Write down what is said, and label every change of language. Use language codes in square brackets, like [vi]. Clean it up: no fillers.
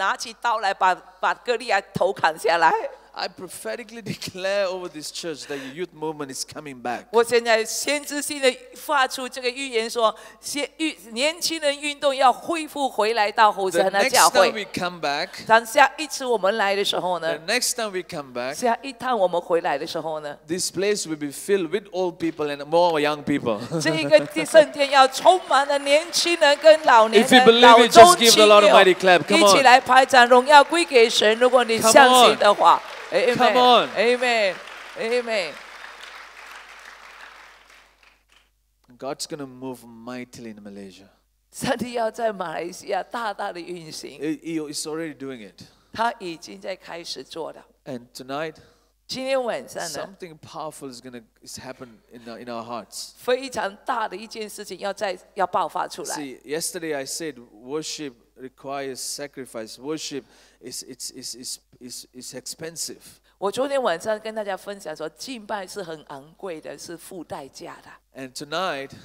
[zh] 我相信是时候不再教我们的孩子玩那个球，而是教他们拿起刀来把哥利亚头砍下来。 [en] I prophetically declare over this church that the youth movement is coming back. [zh] 我现在先知性的发出这个预言说，年轻人运动要恢复回来到后山的教会。 [en] Next time we come back. [zh] 当下一次我们来的时候呢？ [en] Next time we come back. [zh] 下一趟我们回来的时候呢？ [en] This place will be filled with old people and more young people. [zh] 这一个圣殿要充满了年轻人跟老年人。 [en] If you believe it, just give the Lord a mighty clap. Come on. [zh] 一起来拍掌，荣耀归给神。如果你相信的话。 [en] Amen. Come on. Amen. Amen. God's going to move mightily in Malaysia. [zh] 上帝要在马来西亚大大的运行。 [en] He's already doing it. [zh] 他已经在开始做了。 [en] And tonight, [zh] 今天晚上呢, [en] something powerful is going to happen in our hearts. [zh] 非常大的一件事情要爆发出来。 [en] See, yesterday I said worship requires sacrifice. Worship is expensive. [zh] 我昨天晚上跟大家分享说，敬拜是很昂贵的，是付代价的。 [en] And tonight,